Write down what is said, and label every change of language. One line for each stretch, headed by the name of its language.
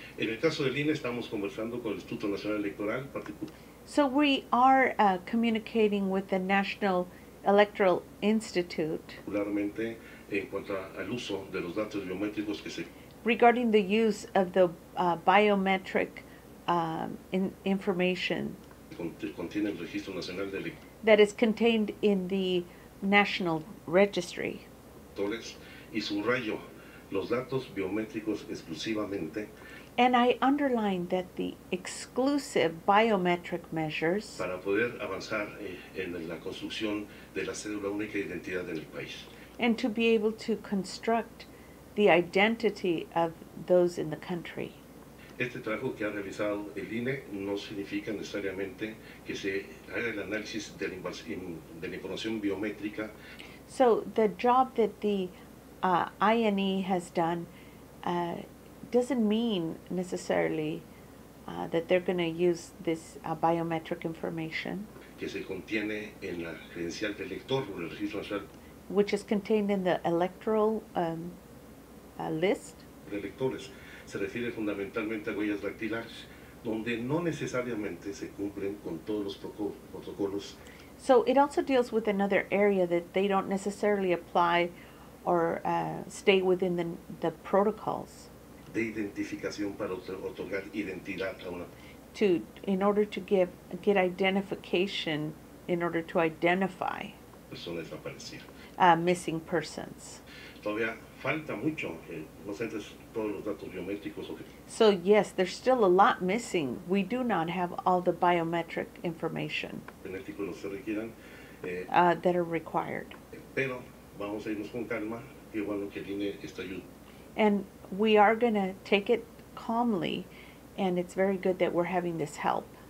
Spanish: En el caso del INE, estamos conversando con el Instituto Nacional Electoral.
English: So we are communicating with the National Electoral Institute.
Spanish: Particularmente en cuanto al uso de los datos biométricos que se...
English: Regarding the use of the biometric information.
Spanish: Contiene el Registro Nacional de Electoral.
English: That is contained in the National Registry.
Spanish: Y subrayo los datos biométricos exclusivamente...
English: And I underline that the exclusive biometric measures
Spanish: para poder avanzar en la construcción de la cédula única de identidad en el país.
English: And to be able to construct the identity of those in the country.
Spanish: Este trabajo que ha realizado el INE no significa necesariamente que se haga el análisis de la, de la información biométrica.
English: So the job that the INE has done doesn't mean necessarily that they're going to use this biometric information
Spanish: que se contiene en la credencial del elector o el registro nacional,
English: which is contained in the electoral list
Spanish: de electores. Se refiere fundamentalmente a huellas dactilares, donde no necesariamente se cumplen con todos los protocolos.
English: So it also deals with another area that they don't necessarily apply or stay within the protocols
Spanish: de identificación para otorgar identidad a una...
English: To, in order to get identification, in order to identify...
Spanish: Persona desaparecida.
English: Missing persons.
Spanish: Todavía falta mucho, no sé, todos los datos biométricos.
English: So, yes, there's still a lot missing. We do not have all the biometric information that are required.
Spanish: Pero vamos a irnos con calma, y bueno que el INE está ayudando.
English: And we are going to take it calmly, and it's very good that we're having this help